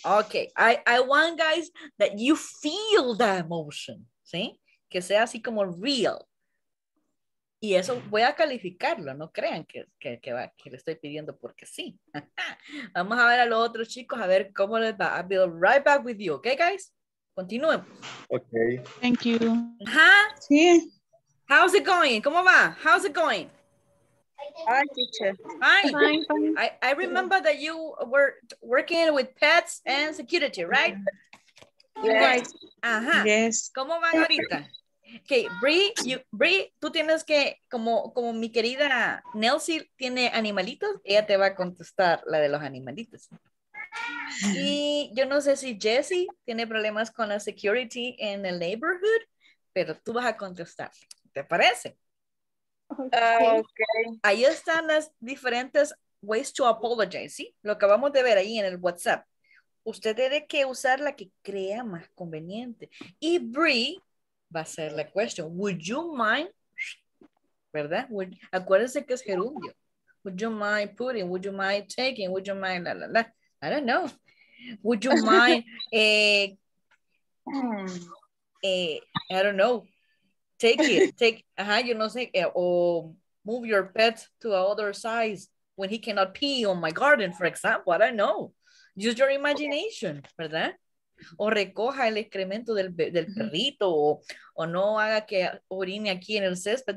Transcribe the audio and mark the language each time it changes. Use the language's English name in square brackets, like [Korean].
[English] Okay, I want, guys, that you feel the emotion, ¿sí? [Spanish] Que sea así como real. Y eso voy a calificarlo, no crean que le estoy pidiendo porque sí. Vamos a ver a los otros chicos, a ver cómo les va. [English] I'll be right back with you, okay, guys? [Spanish] Continúen. [English] Okay. Thank you. ¿Ha? [Spanish] Sí. [English] How's it going? [Spanish] ¿Cómo va? [English] How's it going? Hi, teacher. Hi. I remember that you were working with pets and security, right? Yes. Guys, ajá. Yes. [Spanish] ¿Cómo van ahorita? Okay, Bree, tú tienes que, como mi querida Nelsy tiene animalitos, ella te va a contestar la de los animalitos. Y yo no sé si Jesse tiene problemas con la security en el neighborhood, pero tú vas a contestar. ¿Te parece? [English] Okay. [Spanish] Ahí están las diferentes [English] ways to apologize, [Spanish] ¿sí? Lo acabamos de ver ahí en el WhatsApp. Usted tiene que usar la que crea más conveniente. Y Bree... va a ser la question. [English] Would you mind, [Spanish] ¿verdad? Acuérdense que es gerundio. [English] Would you mind putting? Would you mind taking? Would you mind la la la? I don't know. Would you mind, I don't know. Take it. Ajá, [Spanish] yo no sé. [English] Or move your pet to another size when he cannot pee on my garden, for example. I don't know. Use your imagination, ¿verdad? [Spanish] O recoja el excremento del perrito, o no haga que orine aquí en el césped.